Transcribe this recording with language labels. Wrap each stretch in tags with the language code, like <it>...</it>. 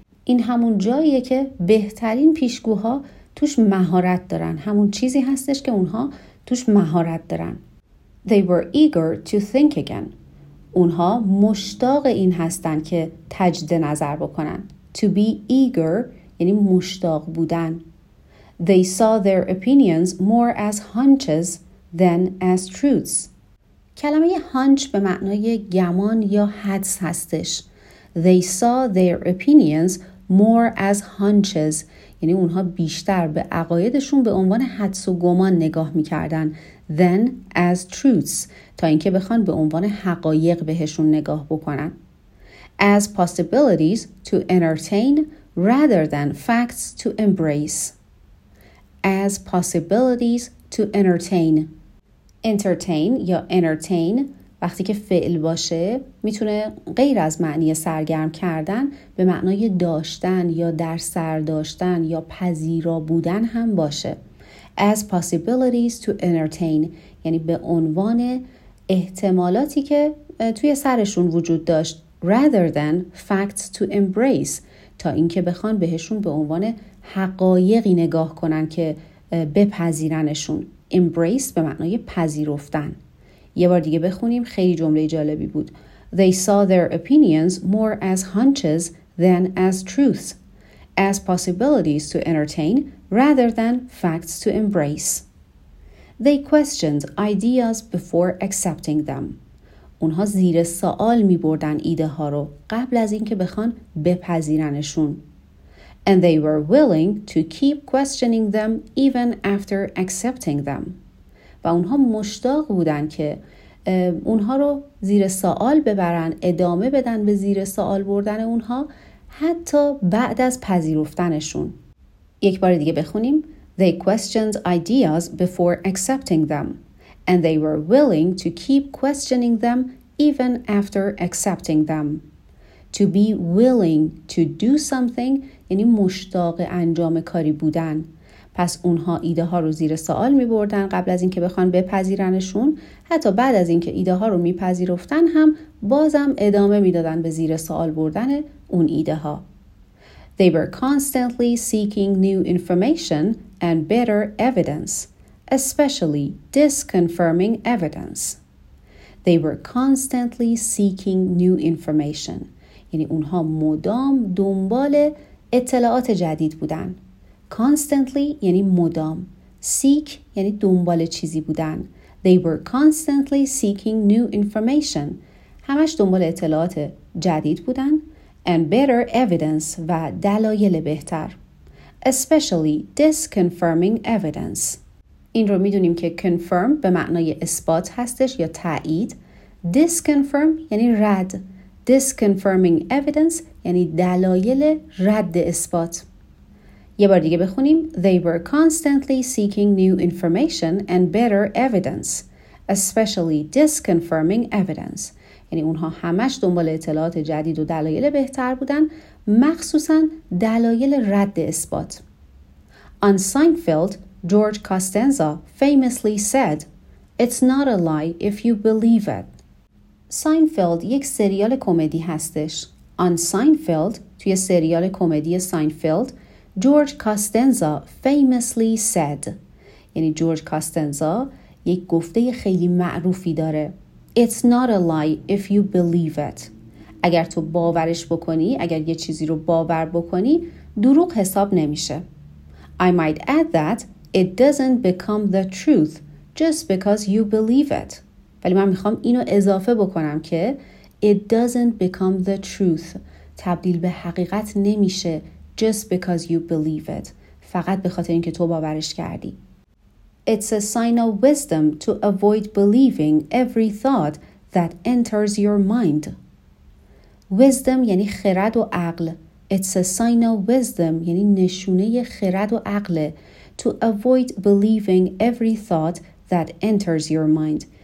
<fa>این همون جاییه که بهترین پیشگوها توش مهارت دارن. همون چیزی هستش که اونها توش مهارت دارن.</fa> <en>They were eager to think again.</en> <fa>اونها مشتاق این هستن که تجدید نظر بکنن.</fa> <en>To be eager</en> <fa>یعنی مشتاق بودن.</fa> <en>They saw their opinions more as hunches than as truths.</en> <fa>کلمه هانچ به معنای گمان یا حدس هستش.</fa> <en>They saw their opinions more as hunches,</en> <fa>یعنی اونها بیشتر به عقایدشون به عنوان حدس و گمان نگاه میکردن</fa> <en>than as truths,</en> <fa>تا اینکه بخوان به عنوان حقایق بهشون نگاه بکنن.</fa> <en>As possibilities to entertain rather than facts to embrace. As possibilities to entertain.</en> <fa>Entertain یا entertain وقتی که فعل باشه میتونه غیر از معنی سرگرم کردن به معنای داشتن یا در سر داشتن یا پذیرا بودن هم باشه.</fa> <en>As possibilities to entertain</en> <fa>یعنی به عنوان احتمالاتی که توی سرشون وجود داشت</fa> <en>rather than facts to embrace</en> <fa>تا اینکه بخوان بهشون به عنوان حقایقی نگاه کنن که بپذیرنشون. Embrace به معنای پذیرفتن. یه بار دیگه بخونیم. خیلی جمله جالبی بود.</fa> <en>They saw their opinions more as hunches than as truths, as possibilities to entertain rather than facts to embrace. They questioned ideas before accepting them.</en> <fa>اونها زیر سوال می‌بردن ایده ها رو قبل از اینکه بخوان بپذیرنشون.</fa> <en>And they were willing to keep questioning them even after accepting them.</en> <fa>و اونها مشتاق بودن که اونها رو زیر سوال ببرن، ادامه بدن به زیر سوال بردن اونها حتی بعد از پذیرفتنشون. یک بار دیگه بخونیم.</fa> <en>They questioned ideas before accepting them and they were willing to keep questioning them even after accepting them. To be willing to do something</en> <fa>یعنی مشتاق انجام کاری بودن. پس اونها ایده ها رو زیر سوال می بردن قبل از اینکه بخوان بپذیرنشون. حتی بعد از اینکه ایده ها رو میپذیرفتن هم بازم ادامه میدادن به زیر سوال بردن اون ایده ها.</fa> <en>They were constantly seeking new information and better evidence, especially disconfirming evidence. They were constantly seeking new information.</en> <fa>یعنی اونها مدام دنبال اطلاعات جدید بودن. Constantly یعنی مدام. Seek یعنی دنبال چیزی بودن.</fa> <en>They were constantly seeking new information.</en> <fa>همش دنبال اطلاعات جدید بودن.</fa> <en>And better evidence</en> <fa>و دلایل بهتر.</fa> <en>Especially disconfirming evidence.</en> <fa>این رو میدونیم که confirm به معنای اثبات هستش یا تایید. Disconfirm یعنی رد. Disconfirming evidence یعنی دلایل رد اثبات. یه بار دیگه بخونیم.</fa> <en>They were constantly seeking new information and better evidence, especially disconfirming evidence.</en> <fa>یعنی اونها همش دنبال اطلاعات جدید و دلایل بهتر بودن، مخصوصا دلایل رد اثبات.</fa> <en>On Seinfeld, George Costanza famously said, "It's not a lie if you believe it."</en> <fa>Seinfeld یک سریال کمدی هستش.</fa> <en>On Seinfeld,</en> <fa>توی سریال کمدی</fa> <en>Seinfeld، George Costanza famously said.</en> <fa>یعنی George Costanza یک گفته خیلی معروفی داره.</fa> <en>It's not a lie if you believe it.</en> <fa>اگر تو باورش بکنی، اگر یه چیزی رو باور بکنی، دروغ حساب نمیشه.</fa> <en>I might add that it doesn't become the truth just because you believe it.</en> <fa>ولی من میخوام اینو اضافه بکنم که</fa> <en>it doesn't become the truth.</en> <fa>تبدیل به حقیقت نمیشه</fa> <en>just because you believe it.</en> <fa>فقط به خاطر اینکه تو باورش کردی.</fa> <en>It's a sign of wisdom to avoid believing every thought that enters your mind.</en> <fa>Wisdom یعنی خرد و عقل.</fa> <en>It's a sign of wisdom</en> <fa>یعنی نشونه خرد و عقل.</fa> <en>To avoid believing every thought that enters your mind.</en>